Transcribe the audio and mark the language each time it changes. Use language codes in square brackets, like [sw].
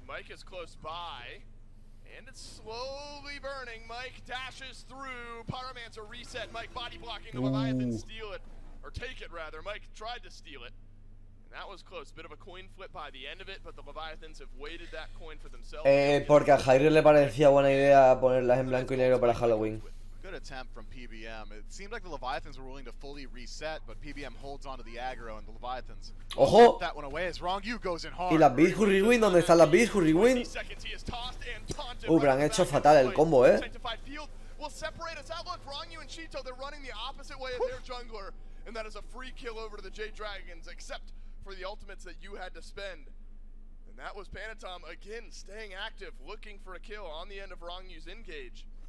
[en] Mike is close by, and it's slowly burning. Mike dashes through, Pyromancer reset. Mike body blocking the Leviathan, steal it. Or take it, rather. Mike tried to steal it. And that was close. Bit of a coin flip by the end of it, but the Leviathans have waited that coin for themselves. [es] Porque a Jairo le parecía buena idea ponerlas en blanco y negro para Halloween. [en] Good attempt from PBM. It seemed like the Leviathans were willing to fully reset, but PBM holds onto the aggro and the Leviathans. [es] Ojo. [en] That one away as Wrong You goes in hard. [es] Y las Beast Hurry Wind, ¿dónde están las Beast Hurry Wind? Pero han hecho fatal el combo, [en] We'll separate us out. Look, Wrong You and Cheeto, they're running the opposite way of their jungler. And that is a free kill over to the Jade Dragons, except for the ultimates that you had to spend. And that was Panatom again staying active, looking for a kill on the end of Wrong You's engage.